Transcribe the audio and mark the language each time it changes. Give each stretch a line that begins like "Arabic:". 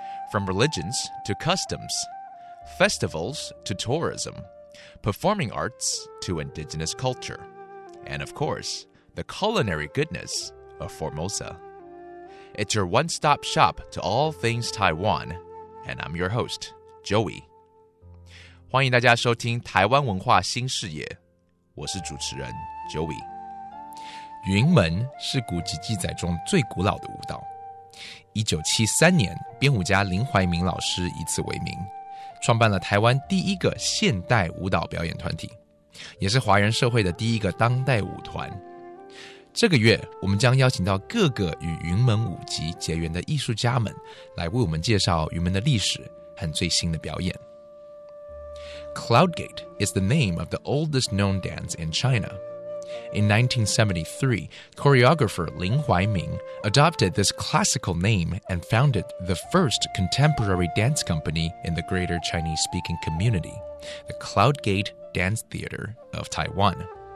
English: From religions to customs, festivals to tourism, performing arts to indigenous culture, and of course, the culinary goodness of Formosa. It's your one-stop shop to all things Taiwan, and I'm your host, Joey.
Chinese: 欢迎大家收听台湾文化新视野，我是主持人 Joey。云门是古籍记载中最古老的舞蹈，1973年编舞家林怀民老师以此为名，创办了台湾第一个现代舞蹈表演团体，也是华人社会的第一个当代舞团。这个月我们将邀请到各个与云门舞集结缘的艺术家们，来为我们介绍云门的历史和最新的表演。
English: Cloudgate is the name of the oldest known dance in China. In 1973, choreographer Lin Huaimin adopted this classical name and founded the first contemporary dance company in the greater Chinese-speaking community, the Cloudgate Dance Theater of Taiwan.